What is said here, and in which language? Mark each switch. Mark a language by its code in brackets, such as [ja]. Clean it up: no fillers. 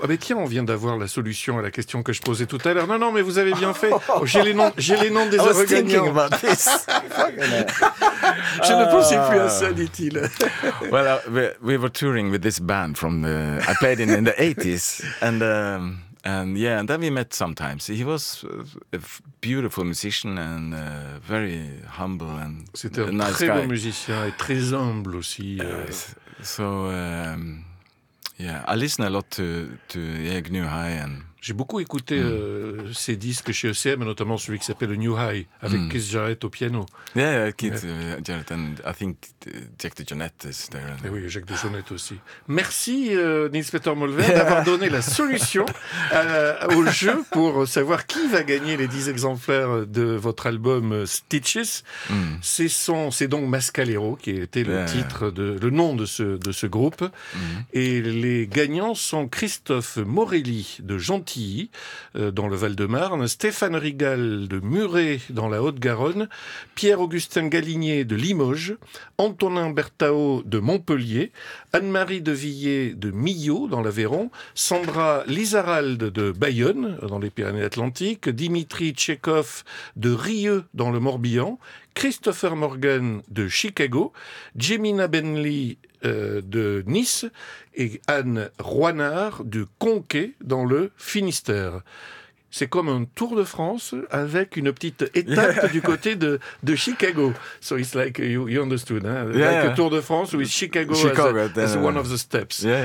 [fr] Ah ben tiens, on vient d'avoir la solution à la question que je posais tout à l'heure. Non, mais vous avez bien fait. Oh, j'ai les noms des heureux gagnants. [en] About this. [fr] Je ne pensais plus à ça, dit-il. [en] Well, we were touring with this band from the, I played in the 80s, and and then we met sometimes. He was a beautiful musician and very humble and [fr] c'était [en] a nice [fr] très [en] guy. [fr] Bon musicien et très humble aussi. [en] I listen a lot to Jörg Newhey and [fr] j'ai beaucoup écouté ses disques chez ECM, notamment celui qui s'appelle Newhey avec Keith Jarrett au piano. [en] Jarrett and I think Jack DeJohnette is there. [fr] Et oui, Jack DeJohnette aussi. Merci Nils Peter Molvær d'avoir donné la solution au jeu pour savoir qui va gagner les 10 exemplaires de votre album Stitches. C'est donc Mascalero qui était le titre de le nom de ce groupe et les gagnants sont Christophe Morelli de Jean dans le Val-de-Marne, Stéphane Rigal de Muret dans la Haute-Garonne, Pierre-Augustin Galinier de Limoges, Antonin Bertao de Montpellier, Anne-Marie de Villiers de Millau dans l'Aveyron, Sandra Lizarald de Bayonne dans les Pyrénées-Atlantiques, Dimitri Tchekov de Rieux dans le Morbihan, Christopher Morgan de Chicago, Jemina Benley de Nice et Anne Roynard de Conquet dans le Finistère. C'est comme un Tour de France avec une petite étape du côté de Chicago. [en] So it's like you understood, hein? Like a Tour de France with Chicago as one of the steps.